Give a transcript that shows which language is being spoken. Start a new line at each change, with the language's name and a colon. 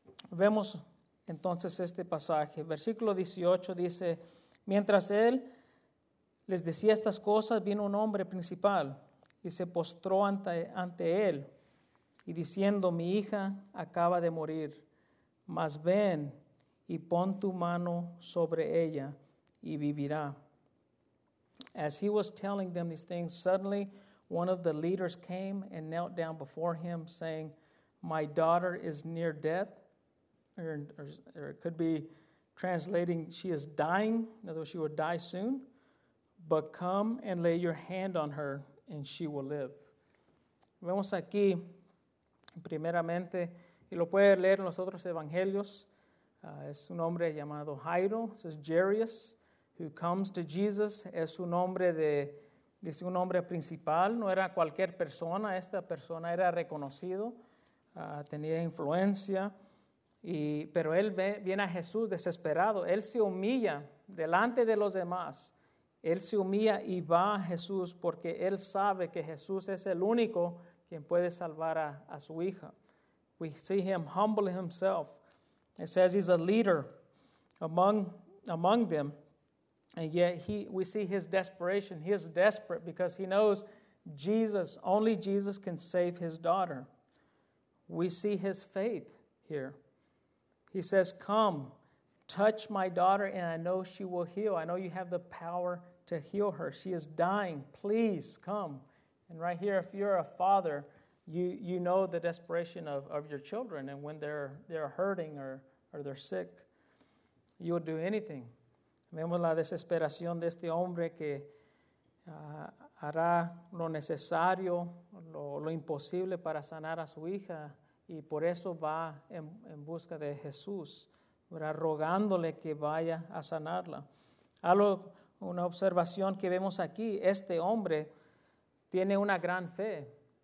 Spanish: Vemos entonces este pasaje. Versículo 18 dice, mientras él les decía estas cosas, vino un hombre principal y se postró ante él y diciendo, mi hija acaba de morir, mas ven y pon tu mano sobre ella y vivirá.
English: As he was telling them these things, suddenly one of the leaders came and knelt down before him, saying, my daughter is near death, or it could be translating, she is dying, in other words, she will die soon, but come and lay your hand on her, and she will live.
Spanish: Vemos aquí, primeramente, y lo puede leer en los otros evangelios, es un hombre llamado Jairo, es Jairus,
English: who comes to Jesus,
Spanish: es un hombre de, dice un hombre principal, no era cualquier persona, esta persona era reconocido, tenía influencia, y, pero él ve, viene a Jesús desesperado, él se humilla delante de los demás, él se humilla y va a Jesús porque él sabe que Jesús es el único quien puede salvar a su hija.
English: We see him humbling himself. It says he's a leader among them. And yet we see his desperation. He is desperate because he knows Jesus, only Jesus can save his daughter. We see his faith here. He says, come, touch my daughter and I know she will heal. I know you have the power to heal her. She is dying. Please come. And right here, if you're a father, you know the desperation of your children. And when they're hurting or they're sick, you will do anything.
Spanish: Vemos la desesperación de este hombre que hará lo necesario, lo imposible para sanar a su hija. Y por eso va en busca de Jesús, ¿verdad? Rogándole que vaya a sanarla. Algo, una observación que vemos aquí, este hombre tiene una gran fe.